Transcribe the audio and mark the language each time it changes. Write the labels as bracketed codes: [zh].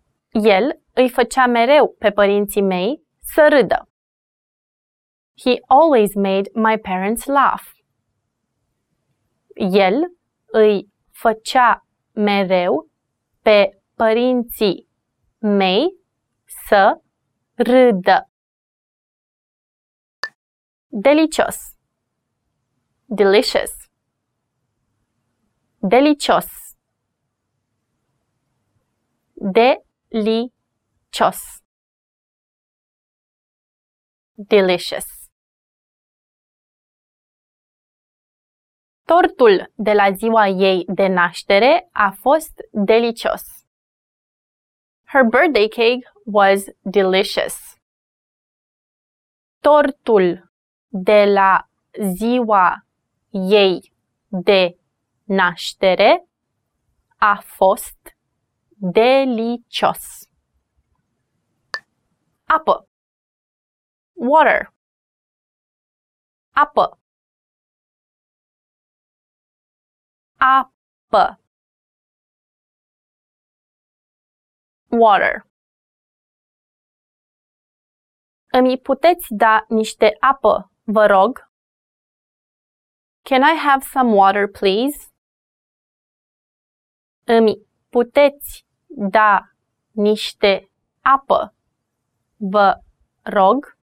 [ro] El îi făcea mereu pe părinții mei să râdă. [en] He always made my parents laugh. [ro] El îi făcea mereu pe părinții mei să râdă. Delicios. Delicious. Delicios. Delicios. [en] Delicious. [ro] Tortul de la ziua ei de naștere a fost delicios. [en] Her birthday cake was delicious. [ro] Tortul de la ziua ei de naștere a fost delicios. Apă. Water. Apă. Apă. [en] Water. [ro] Îmi puteți da niște apă, vă rog? [en] Can I have some water, please? [ro] Îmi puteți da niște apă, vă rog?